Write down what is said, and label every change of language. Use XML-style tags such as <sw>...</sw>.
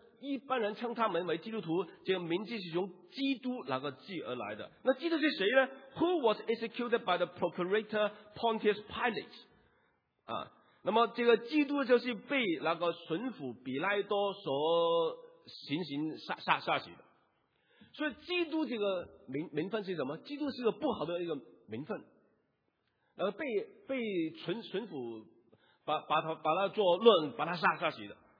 <zh>一般人称他们为基督徒，这个名字是从基督那个字而来的。那基督是谁呢？</zh> <en>Who was executed by the procurator Pontius Pilate？</en> <zh>那么这个基督就是被那个巡抚比拉多所行刑杀死的。所以基督这个名分是什么？基督是个不好的一个名分，被巡抚 把他杀死的。</zh>